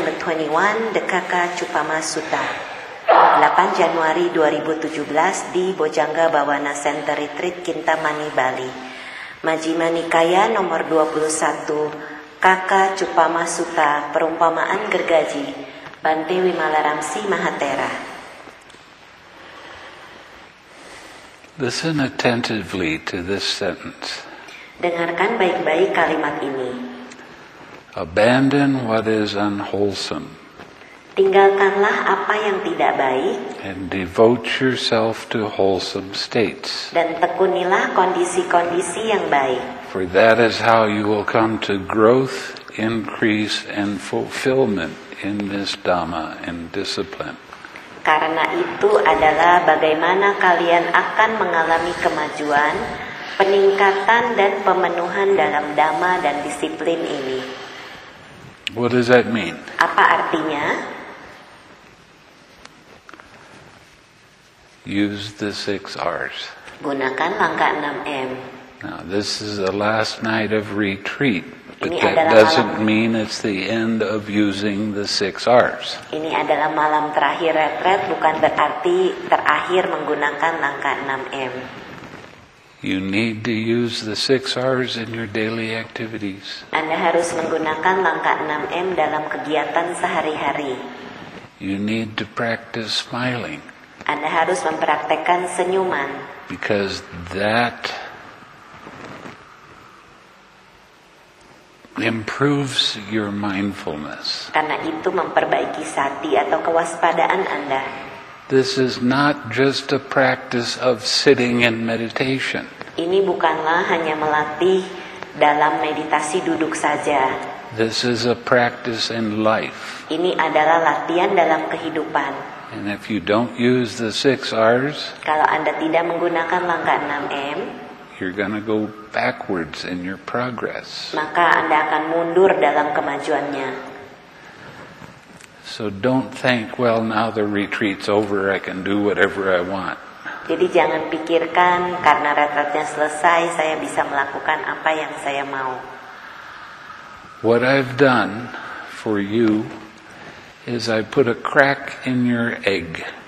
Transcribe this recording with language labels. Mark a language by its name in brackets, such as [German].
[Indonesian] 21, Dekaka Cupama Sutta, 8 January 2017 di Bhujanga Bhavana Center Retreat, Kintamani, Bali, Majjhima Nikaya No. 21, Kaka Cupama Sutta, Perumpamaan Gergaji, Bante Wimalaramsi Mahatera. [English] Listen attentively to this sentence. [Indonesian] Dengarkan baik-baik kalimat ini. [English] Abandon what is unwholesome. [Indonesian] Tinggalkanlah apa yang tidak baik. [English] And devote yourself to wholesome states. [Indonesian] Dan tekunilah kondisi-kondisi yang baik. [English] For that is how you will come to growth, increase, and fulfillment in this Dhamma and discipline. [Indonesian] Karena itu adalah bagaimana kalian akan mengalami kemajuan, peningkatan dan pemenuhan dalam dhamma dan disiplin ini. [English] What does that mean? [Indonesian] Apa artinya? [English] Use the 6 R's. [Indonesian] Gunakan langkah 6M. [English] Now, this is the last night of retreat. But that doesn't mean it's the end of using the 6 R's. [Indonesian] Ini adalah malam terakhir retret, bukan berarti terakhir menggunakan langkah 6M. [English] You need to use the 6 R's in your daily activities. [Indonesian] Anda harus menggunakan langkah 6M dalam kegiatan sehari-hari. [English] You need to practice smiling. [Indonesian] Anda harus mempraktikkan senyuman. [English] Because that improves your mindfulness. [Indonesian] Karena itu memperbaiki sati atau kewaspadaan Anda. [English] This is not just a practice of sitting in meditation. [Indonesian] Ini bukanlah hanya melatih dalam meditasi duduk saja. [English] This is a practice in life. [Indonesian] Ini adalah latihan dalam kehidupan. [English] And if you don't use the 6 R's, [Indonesian] kalau Anda tidak menggunakan langkah 6M, [English] you're going to go backwards in your progress. [Indonesian] Maka Anda akan mundur dalam kemajuannya. [English] So don't think, well, now the retreat's over, I can do whatever I want. [Indonesian] Jadi jangan pikirkan karena retreatnya selesai saya bisa melakukan apa yang saya mau. [English] What I've done for you is I put a crack in your egg.